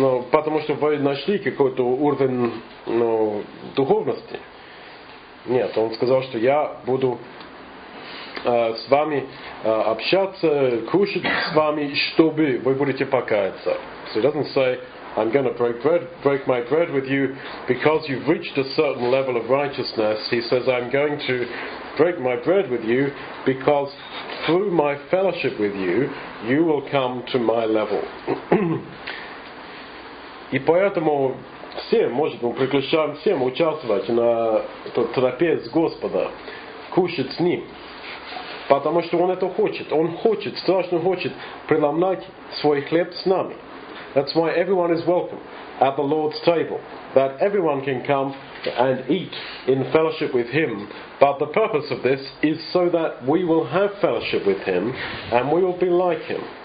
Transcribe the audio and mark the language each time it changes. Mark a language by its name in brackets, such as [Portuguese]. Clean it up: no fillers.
[Russian] потому что вы нашли какой-то уровень духовности. Нет, он сказал, что я буду с вами общаться, кушать с вами, чтобы вы будете покаяться. [English] So he doesn't say, I'm going to break my bread with you because you've reached a certain level of righteousness. He says, I'm going to break my bread with you because through my fellowship with you, you will come to my level. [Russian] И поэтому всем, может быть, мы приглашаем всем участвовать на трапезе Господа, кушать с Ним. Потому что Он это хочет. Он хочет, страшно хочет преломлять свой хлеб с нами. [English] That's why everyone is welcome at the Lord's table. That everyone can come and eat in fellowship with Him. But the purpose of this is so that we will have fellowship with Him and we will be like Him.